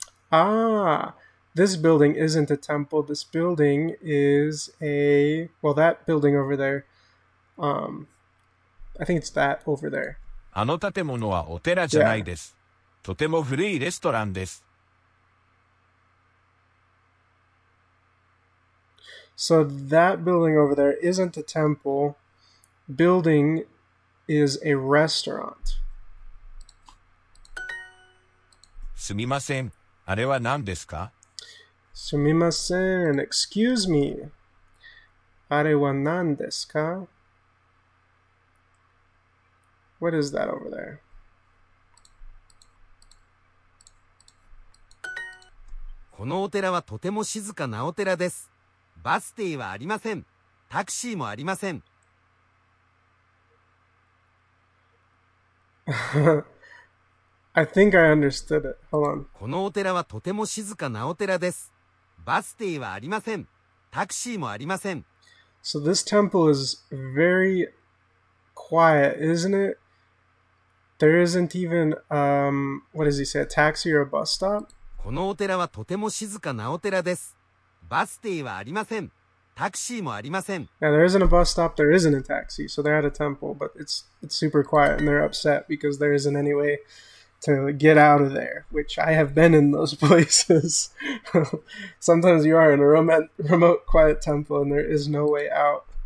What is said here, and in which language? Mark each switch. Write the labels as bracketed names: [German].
[English] Ah, this building isn't a temple. This building is a... Well, that building over there. I think it's that over there. [Japanese] あの建物はお寺じゃないです。とても古いレストランです。 [English] So that building over there isn't a temple. Building is a restaurant. [Japanese] すみません。あれは何ですか? すみません。 [English] Excuse me. [Japanese] あれは何ですか? [English] What is that over there? [Japanese] このお寺はとても静かなお寺です。バス停はありません。タクシーもありません。 [English] I think I understood it. Hold on. [Japanese] このお寺はとても静かなお寺です。バス停はありません。タクシーもありません。 [English] So this temple is very quiet, isn't it? There isn't even, what does he say, a taxi or a bus stop? [Japanese] このお寺はとても静かなお寺です。バス停はありません。タクシーもありません。 [English] Yeah, there isn't a bus stop, there isn't a taxi, so they're at a temple, but it's super quiet and they're upset because there isn't any way to get out of there, which I have been in those places. Sometimes you are in a remote, quiet temple and there is no way out.